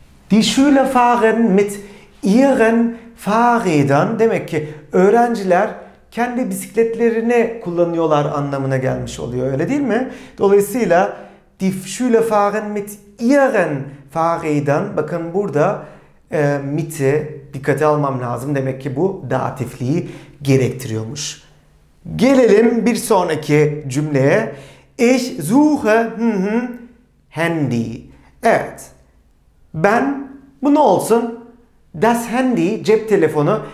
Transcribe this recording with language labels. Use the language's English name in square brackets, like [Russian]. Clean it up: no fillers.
[German] Die Schüler fahren mit ihren Fahrrädern. [Turkish] Demek ki öğrenciler kendi bisikletlerini kullanıyorlar anlamına gelmiş oluyor, öyle değil mi? Dolayısıyla [German] die Schüler fahren mit ihren Fahrrädern. [Turkish] Bakın burada mit'i dikkate almam lazım. Demek ki bu datifliği gerektiriyormuş. Gelelim bir sonraki cümleye. [German] Ich suche Handy. [Turkish] Evet. Ben, bu ne olsun? Das Handy, cep telefonu.